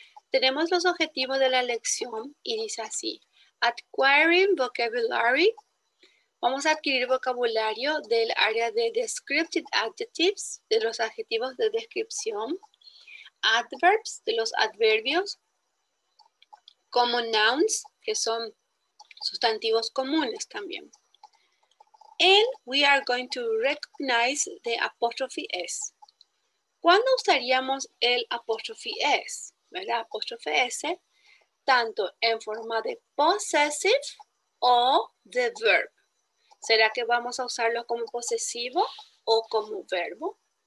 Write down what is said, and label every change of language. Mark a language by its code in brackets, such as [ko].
[es] Tenemos los objetivos de la lección y dice así, [en] acquiring vocabulary, [es] vamos a adquirir vocabulario del área de [en] descriptive adjectives, [es] de los adjetivos de descripción, adverbs, de los adverbios, [en] common nouns, [es] que son sustantivos comunes también. [en] And we are going to recognize the apostrophe S. [es] ¿Cuándo usaríamos el apostrophe S? ¿Verdad? Apostrophe S, tanto en forma de possessive o de verb. ¿Será que vamos a usarlo como posesivo o como verbo?